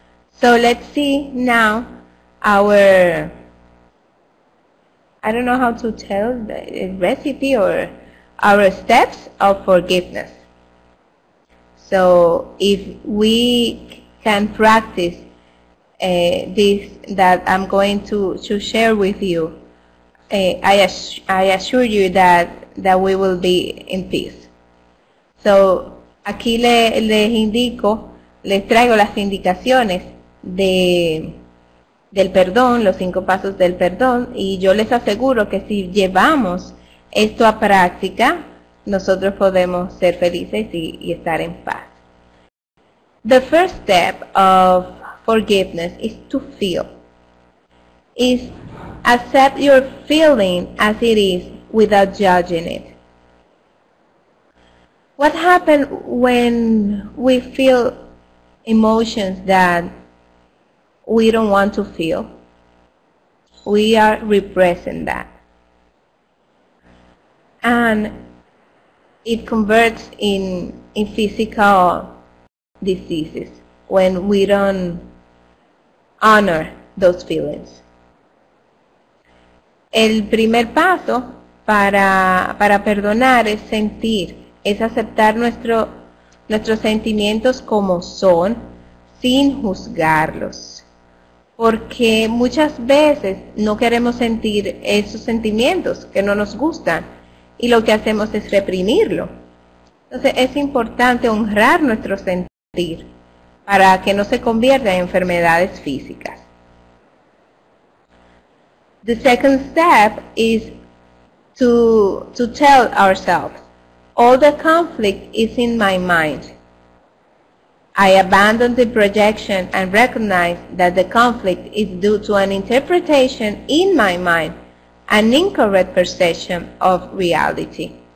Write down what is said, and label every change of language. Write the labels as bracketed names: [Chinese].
[English] So let's see now our, I don't know how to tell the recipe or our steps of forgiveness. So if we can practice this that I'm going to share with you, I assure you that we will be in peace. [Spanish] So aquí les traigo las indicaciones del perdón, los cinco pasos del perdón, y yo les aseguro que si llevamos esto a práctica, nosotros podemos ser felices y estar en paz. [English] The first step of forgiveness is to feel. Is accept your feeling as it is without judging it. What happens when we feel emotions that we don't want to feel? We are repressing that. And it converts in physical diseases when we don't honor those feelings. [Spanish] El primer paso para perdonar es sentir, es aceptar nuestros sentimientos como son, sin juzgarlos. Porque muchas veces no queremos sentir esos sentimientos que no nos gustan y lo que hacemos es reprimirlo. Entonces es importante honrar nuestro sentir para que no se convierta en enfermedades físicas. [English] The second step is to tell ourselves, all the conflict is in my mind. I abandon the projection and recognize that the conflict is due to an interpretation in my mind, an incorrect perception of reality.